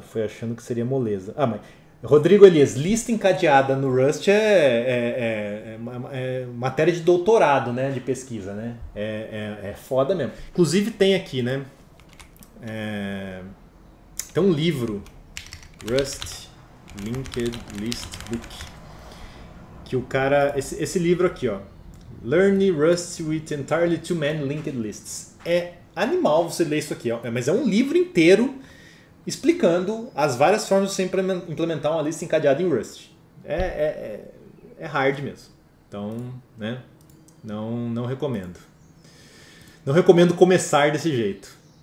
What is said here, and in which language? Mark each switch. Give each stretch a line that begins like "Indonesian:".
Portuguese: Foi achando que seria moleza. Ah, mas. Rodrigo Elias, lista encadeada no Rust é matéria de doutorado, né? De pesquisa, né? É foda mesmo. Inclusive tem aqui, né? Tem um livro, Rust Linked List Book, que o cara. Esse livro aqui, ó.
English: Learn Rust with Entirely Too Many Linked Lists.
Portuguese: É animal você ler isso aqui, ó. Mas é um livro inteiro explicando as várias formas de você implementar uma lista encadeada em Rust. É hard mesmo. Então, né? Não recomendo. Não recomendo começar desse jeito.